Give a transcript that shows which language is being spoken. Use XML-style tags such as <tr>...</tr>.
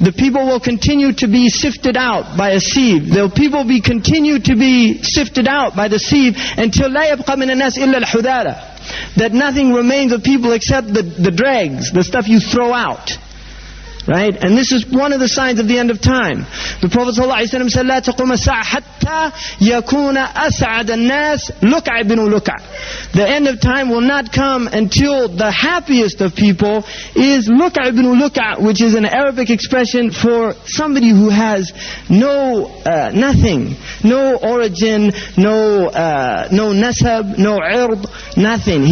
<en>The people will continue to be sifted out by a sieve. The people will continue to be sifted out by the sieve until</en> <ar>لا يبقى من الناس إلا الحذارة.</ar> <en>That nothing remains of people except the dregs, the stuff you throw out. Right? And this is one of the signs of the end of time. The Prophet ﷺ said,</en> <ar>لا تقوم الساعة حتى يكون أسعد الناس لكع بن لكع.</ar> <en>The end of time will not come until the happiest of people is</en> <ar>لكع بن لكع,</ar> <en>which is an Arabic expression for somebody who has no nothing, no origin, no nasab, no ird, nothing.</en>